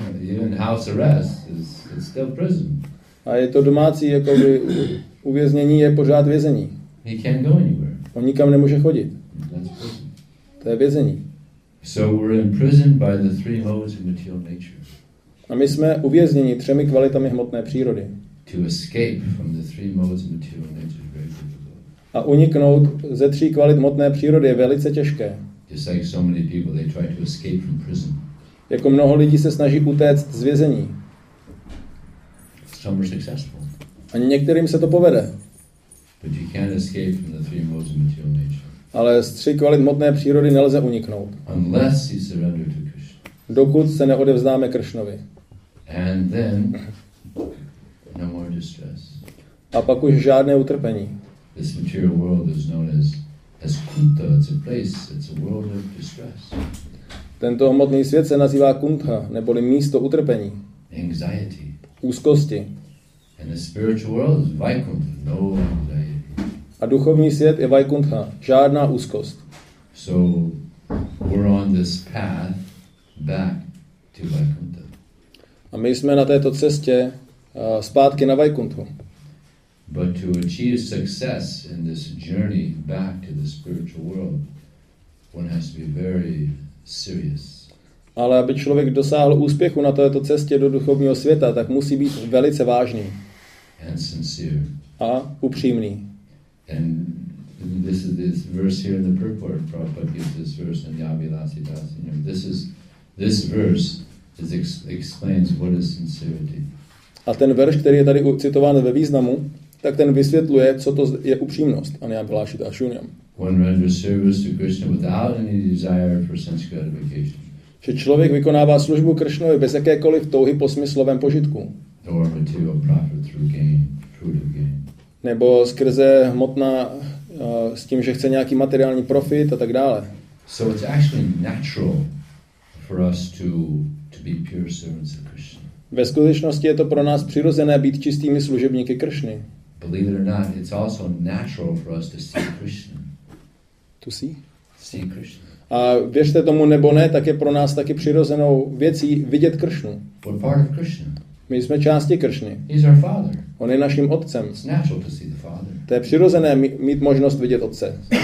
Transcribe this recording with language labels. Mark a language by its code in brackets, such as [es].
[en] Even house arrest is still prison. [cs] A je to domácí jakoby uvěznění je pořád vězení. [en] He can't go anywhere. [cs] On nikam nemůže chodit. To je vězení. [en] So we're imprisoned by the three modes of material nature. [cs] A my jsme uvězněni třemi kvalitami hmotné přírody. [en] To escape from the three modes of material nature is very difficult. [cs] A uniknout ze tří kvalit hmotné přírody je velice těžké. [en] Just like so many people, they try to escape from prison. [cs] Jako mnoho lidí se snaží utéct z vězení. [en] Some are successful. [cs] A některým se to povede. [en] But you can't escape from the three modes of material nature. [cs] Ale z tří kvalit hmotné přírody nelze uniknout. [en] Unless you surrender to Krishna. [cs] Dokud se neodevzdáme Kršnovi. [en] And then no more distress. [cs] A pak už žádné utrpení. [en] This material world is known as Kunta. It's a place, it's a world of distress. [cs] Tento hmotný svět se nazývá Kuntha, neboli místo utrpení. [en] Anxiety. [cs] Úzkosti. [en] And the spiritual world is Vaikuntha, no anxiety. [cs] A duchovní svět je Vaikuntha, žádná úzkost. [en] So we're on this path back to Vaikuntha. [cs] A my jsme na této cestě zpátky na Vaikunthu. [en] But to achieve success in this journey back to the spiritual world, one has to be very serious. [cs] Ale aby člověk dosáhl úspěchu na této cestě do duchovního světa, tak musí být velice vážný. [en] And sincere. [cs] A upřímný. [en] And this is this verse here in the purport. Prabhupada gives this verse in the Abhilasidasanyam. This verse is explains what is sincerity. [cs] A ten verš, který je tady citován ve významu, tak ten vysvětluje, co to je upřímnost. A Abhilasidasanyam. [en] One renders service to Krishna without any desire for sense gratification. [cs] Že člověk vykonává službu Krishnovi bez jakékoliv touhy po smyslovém požitku. [en] Or material profit through gain, fruit of gain. [cs] Nebo skrze hmotná s tím, že chce nějaký materiální profit a tak dále. [en] So it's actually natural for us to be pure servants of Krishna. [cs] Ve skutečnosti je to pro nás přirozené být čistými služebníky Krishny. [en] Believe it or not, it's also natural for us to see Krishna. To see Krishna. [cs] A věřte tomu nebo ne, tak je pro nás taky přirozenou věcí vidět Kršnu. [en] We're part of Krishna. [cs] My jsme části Kršny. On je naším otcem. To je přirozené mít možnost vidět otce.